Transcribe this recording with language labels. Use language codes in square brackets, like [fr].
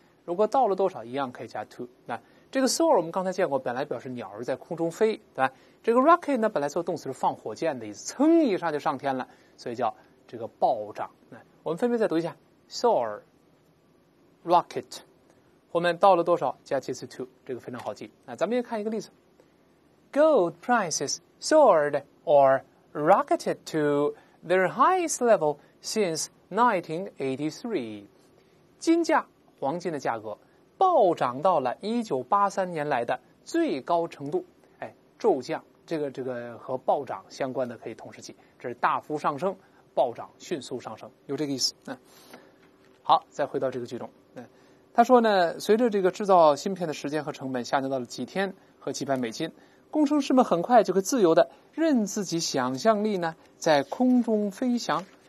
[zh] 如果到了多少，一样可以加 to。那这个 soar 我们刚才见过，本来表示鸟儿在空中飞，对吧？这个 rocket 呢，本来做动词是放火箭的意思，蹭一下就上天了，所以叫这个暴涨。那我们分别再读一下 soar rocket， 后面到了多少加介词 to， 这个非常好记。那咱们也看一个例子 [en] ，Gold prices soared or rocketed to their highest level since 1983。 [zh] 金价，黄金的价格暴涨到了1983年来的最高程度，哎，骤降，这个和暴涨相关的可以同时记，这是大幅上升，暴涨迅速上升，有这个意思。嗯，好，再回到这个句中，嗯，他说呢，随着这个制造芯片的时间和成本下降到了几天和几百美金，工程师们很快就会自由的任自己想象力呢在空中飞翔。